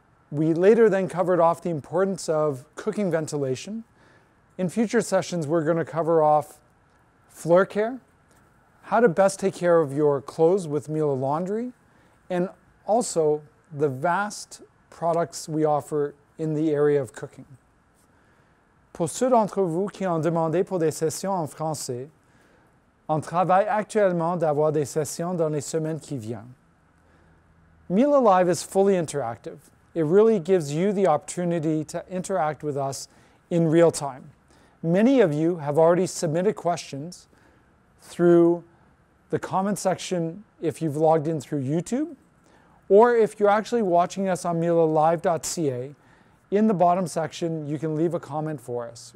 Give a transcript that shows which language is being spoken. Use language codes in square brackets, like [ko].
[en] We later then covered off the importance of cooking ventilation. In future sessions, we're going to cover off floor care, how to best take care of your clothes with Miele laundry, and also the vast products we offer in the area of cooking. [fr] Pour ceux d'entre vous qui ont demandé pour des sessions en français, on travaille actuellement d'avoir des sessions dans les semaines qui viennent. [en] Miele Live is fully interactive. It really gives you the opportunity to interact with us in real time. Many of you have already submitted questions through the comment section if you've logged in through YouTube, or if you're actually watching us on MieleLive.ca, in the bottom section, you can leave a comment for us.